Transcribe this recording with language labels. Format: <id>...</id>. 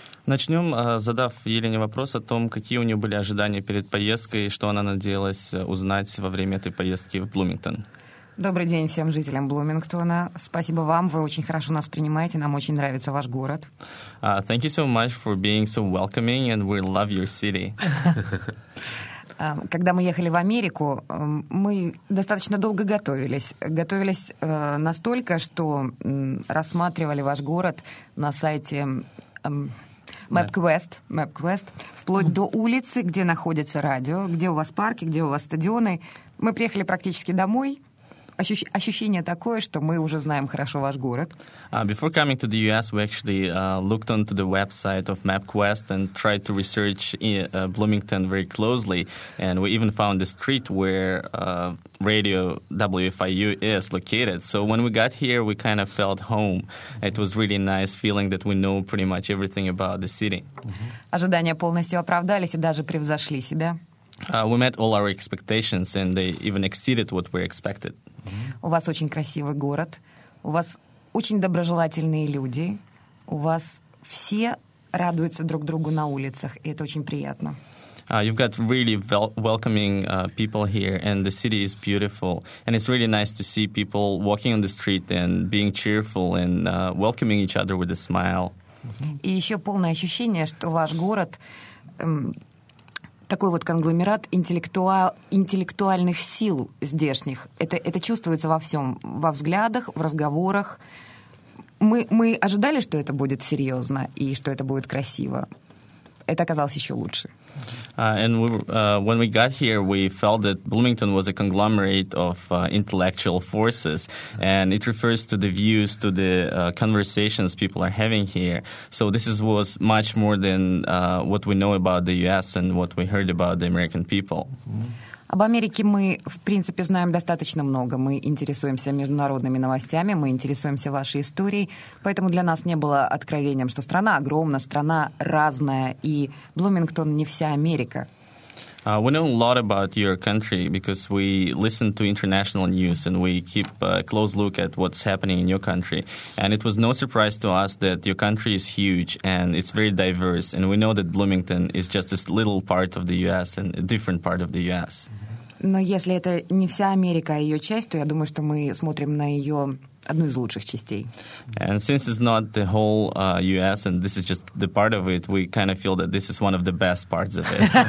<ru>Начнем, задав Елене вопрос о том, какие у нее были ожидания перед поездкой и что она надеялась узнать во время этой поездки в Bloomington. Добрый день всем жителям Блумингтона. Спасибо вам, вы очень хорошо нас принимаете, нам очень нравится ваш город.</ru> <en>Thank you so much for being so welcoming, and we love your city.</en> <ru>Когда мы ехали в Америку, мы достаточно долго готовились. Готовились настолько, что рассматривали ваш город на сайте MapQuest, вплоть до улицы, где находится радио, где у вас парки, где у вас стадионы. Мы приехали практически домой. Ощущение такое, что мы уже знаем хорошо ваш город.</ru> <en>Before coming to the U.S., we actually looked onto the website of MapQuest and tried to research Bloomington very closely. And we even found the street where radio WFIU is located. So when we got here, we kind of felt home. It was really nice feeling that we know pretty much everything about the city. Mm-hmm.</en> <ru>Ожидания полностью оправдались и даже превзошли себя.</ru> <en>We met all our expectations, and they even exceeded what we expected.</en> <ru>У вас очень красивый город, у вас очень доброжелательные люди, у вас все радуются друг другу на улицах, и это очень приятно.</ru> <en>You've got really welcoming people here, and the city is beautiful. And it's really nice to see people walking on the street and being cheerful and welcoming each other with a smile.</en> <ru>И еще полное ощущение, что ваш город такой вот конгломерат интеллектуальных сил здешних. Это чувствуется во всем, во взглядах, в разговорах. Мы ожидали, что это будет серьезно и что это будет красиво. Это оказалось еще лучше.</ru> <en>And when we got here, we felt that Bloomington was a conglomerate of intellectual forces, and it refers to the views, to the conversations people are having here. So this was much more than what we know about the U.S. and what we heard about the American people. Mm-hmm.</en> <ru>Об Америке мы, в принципе, знаем достаточно много. Мы интересуемся международными новостями, мы интересуемся вашей историей, поэтому для нас не было откровением, что страна огромна, страна разная, и Bloomington не вся Америка.</ru> <en>We know a lot about your country because we listen to international news and we keep a close look at what's happening in your country. And it was no surprise to us that your country is huge and it's very diverse. And we know that Bloomington is just this little part of the U.S. and a different part of the U.S.</en> <ru>Но если это не вся Америка, а ее часть, то я думаю, что мы смотрим на ее одну из лучших частей.</ru> <en>And since it's not the whole U.S. and this is just the part of it, we kind of feel that this is one of the best parts of it.</en>